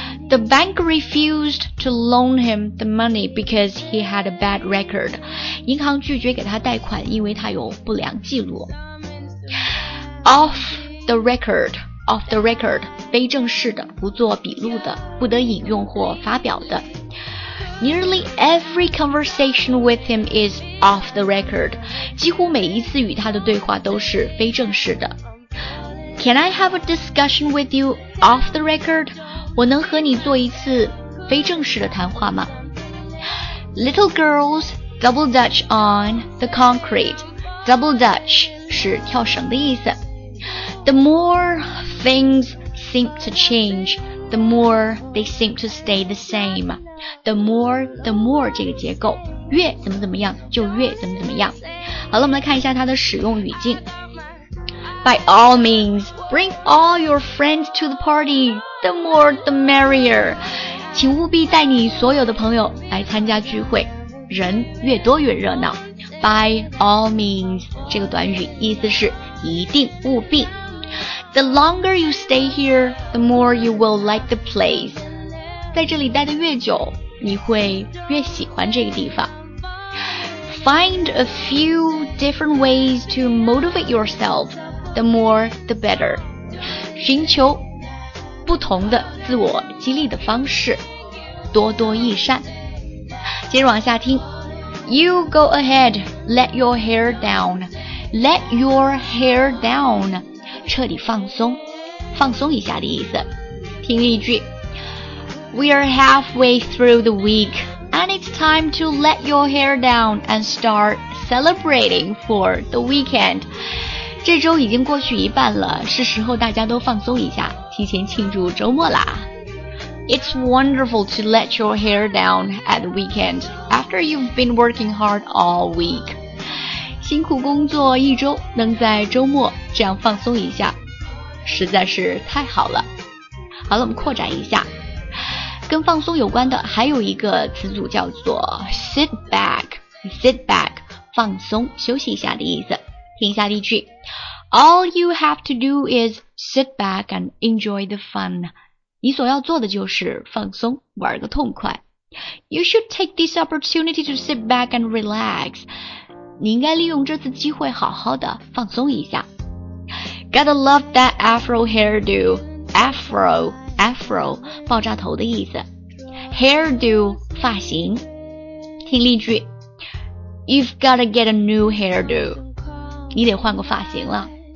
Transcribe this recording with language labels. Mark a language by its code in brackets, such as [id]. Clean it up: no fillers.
[en] The bank refused to loan him the money because he had a bad record. [zh] 银行拒绝给他贷款，因为他有不良记录。 [en] Off the record, [zh] 非正式的，不做笔录的，不得引用或发表的。 [en] Nearly every conversation with him is off the record. [zh] 几乎每一次与他的对话都是非正式的。 [en] Can I have a discussion with you off the record? [zh] 我能和你做一次非正式的谈话吗 ? [en] Little girls double dutch on the concrete. [zh] Double dutch 是跳绳的意思。 [en] The more things seem to change, the more they seem to stay the same. [zh] The more 这个结构越怎么怎么样就越怎么怎么样。好了我们来看一下它的使用语境。 [en] By all means, bring all your friends to the party. The more, the merrier. [zh] 请务必带你所有的朋友来参加聚会，人越多越热闹。 By all means, 这个短语意思是一定务必。 [en] The longer you stay here, the more you will like the place. [zh] 在这里待得越久，你会越喜欢这个地方。 [en] Find a few different ways to motivate yourself. The more, the better. [zh] 寻求不同的自我激励的方式，多多益善。接着往下听 [en] ，You go ahead, let your hair down, let your hair down， [zh] 彻底放松，放松一下的意思。听例句 [en] ，We are halfway through the week, and it's time to let your hair down and start celebrating for the weekend。 [zh] 这周已经过去一半了，是时候大家都放松一下。提前庆祝周末啦 [en] It's wonderful to let your hair down at the weekend after you've been working hard all week. [zh] 辛苦工作一周，能在周末这样放松一下，实在是太好了。好了，我们扩展一下，跟放松有关的还有一个词组叫做 sit back， 放松休息一下的意思。听一下例句。 [en] All you have to do is sit back and enjoy the fun. [zh] 你所要做的就是放松，玩个痛快。 [en] You should take this opportunity to sit back and relax. [zh] 你应该利用这次机会好好的放松一下。 [en] Gotta love that afro hairdo. Afro, [zh] 爆炸头的意思。 Hairdo, 发型。听例句。 [en] You've gotta get a new hairdo. [zh] 你得换个发型了。